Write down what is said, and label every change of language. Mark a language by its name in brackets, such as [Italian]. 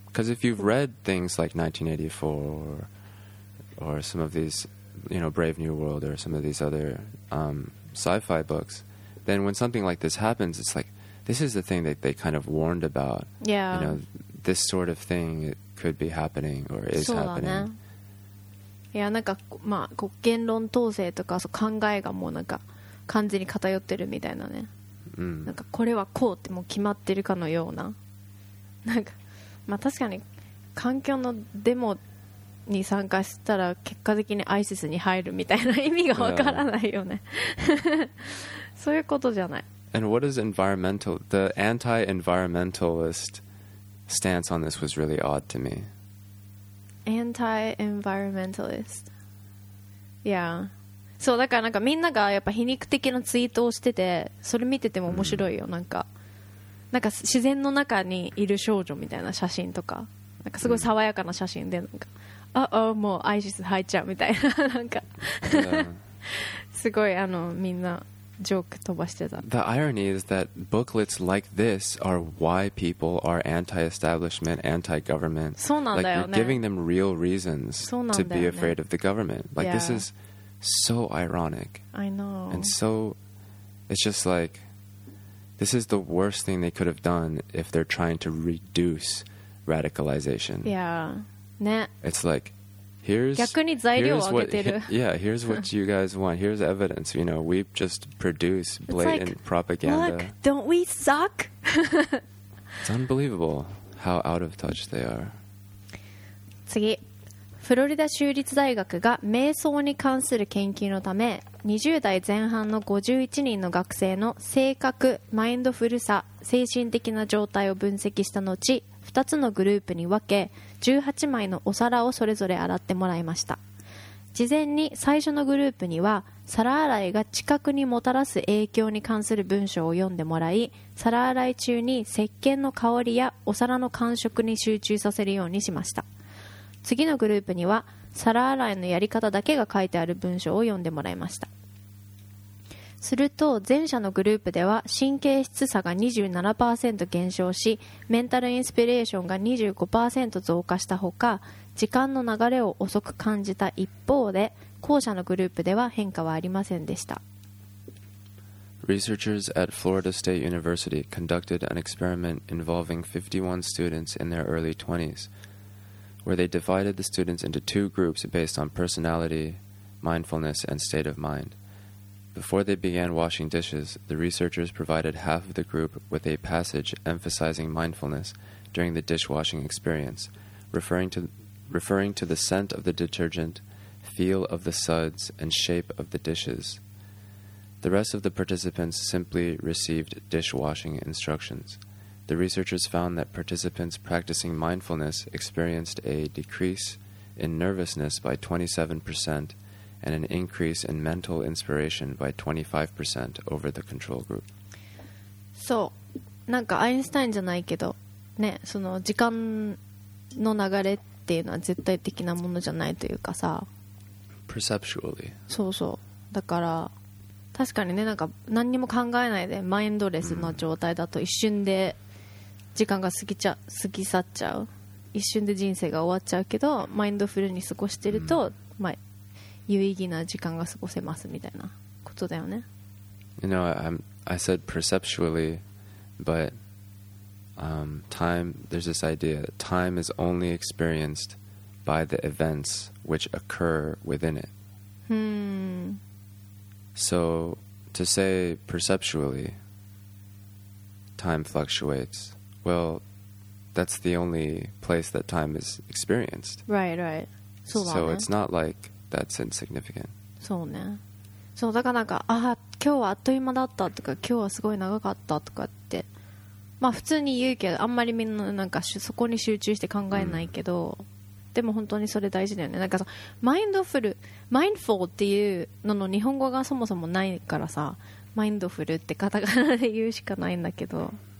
[English] Because if you've read things like 1984 or some of these, you know, Brave New World or some of these other sci-fi books, then when something like this happens, it's like, this is the thing that they kind of warned about. Yeah. You know, this sort of thing it could be happening or is happening. [Japanese] そうだね。いや、なんかまあこう言論統制とか、そう考えがもうなんか完全に偏ってるみたいなね、なんかこれはこうってもう決まってるかのような、なんかまあ確かに環境のデモに参加したら結果的にISISに入るみたいな意味がわからないよね、そういうことじゃない。 [English] And what is environmental, the anti-environmentalist stance on this was really odd to me Anti-environmentalist. Yeah. [Japanese] そうだから、なんかみんながやっぱ皮肉的なツイートをしてて、それ見てても面白いよ。なんか自然の中にいる少女みたいな写真とか、なんかすごい爽やかな写真でなんか、もうISIS入っちゃうみたいな、なんか、すごいみんなジョーク飛ばしてた。 [English] The irony is that booklets like this are why people are anti-establishment, anti-government. [Japanese] そうなんだよね。 [English] Like you're giving them real reasons to be afraid of the government. Like this is so ironic. I know. And so it's just like this is the worst thing they could have done if they're trying to reduce radicalization. Yeah. [Japanese] ね。 [English] It's like Here's what you guys want. Here's evidence. You know, we just produce blatant propaganda. Look, don't we suck? It's unbelievable how out of touch they are. [Japanese] 次、フロリダ州立大学が瞑想に関する研究のため、20代前半の51人の学生の性格、マインドフルさ、精神的な状態を分析した後、2つのグループに分け18枚のお皿をそれぞれ洗ってもらいました。事前に最初のグループには皿洗いが知覚にもたらす影響に関する文章を読んでもらい、皿洗い中に石鹸の香りやお皿の感触に集中させるようにしました。次のグループには皿洗いのやり方だけが書いてある文章を読んでもらいました。すると前者のグループでは神経質さが 27% 減少し、メンタルインスピレーションが 25% 増加したほか、時間の流れを遅く感じた一方で、後者のグループでは変化はありませんでした。 [English] Researchers at Florida State University conducted an experiment involving 51 students in their early 20s, where they divided the students into two groups based on personality, mindfulness, and state of mind. Before they began washing dishes, the researchers provided half of the group with a passage emphasizing mindfulness during the dishwashing experience, referring to the scent of the detergent, feel of the suds, and shape of the dishes. The rest of the participants simply received dishwashing instructions. The researchers found that participants practicing mindfulness experienced a decrease in nervousness by 27% and an increase in mental inspiration by 25% over the control group. [Japanese] そう、なんかアインシュタインじゃないけどね、その時間の流れっていうのは絶対的なものじゃないというかさ、 [English] perceptually。 [Japanese] そうそう。だから確かにね、なんか何にも考えないでマインドレスの状態だと一瞬で時間が過ぎ去っちゃう、一瞬で人生が終わっちゃうけど、マインドフルに過ごしてると、まあ、有意義な時間が過ごせますみたいなことだよね。 [English] You know, I said perceptually, but time, there's this idea that time is only experienced by the events which occur within it. So to say perceptually time fluctuates, well, that's the only place that time is experienced. Right, right. So, so it's not like that's insignificant. [Japanese] そうね。そう、だからなんか、ああ、今日はあっという間だったとか、今日はすごい長かったとかって、まあ普通に言うけど、あんまりみんななんかそこに集中して考えないけど、でも本当にそれ大事だよね。なんかさ、マインドフル、マインフォーっていうのの日本語がそもそもないからさ、マインドフルってカタカナで言うしかないんだけど。